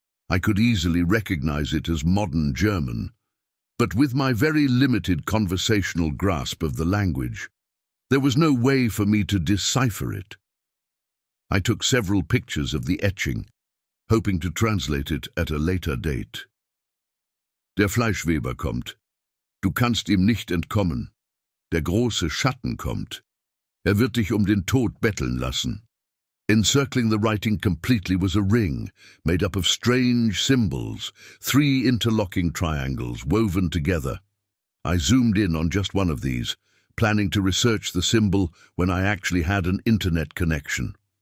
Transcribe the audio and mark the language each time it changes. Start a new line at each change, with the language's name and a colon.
English: I could easily recognize it as modern German. But with my very limited conversational grasp of the language, there was no way for me to decipher it. I took several pictures of the etching, hoping to translate it at a later date.
German: Der Fleischweber kommt. Du kannst ihm nicht entkommen. Der große Schatten kommt. Wird dich den Tod betteln lassen.
English: Encircling the writing completely was a ring made up of strange symbols, three interlocking triangles woven together. I zoomed in on just one of these, planning to research the symbol when I actually had an internet connection.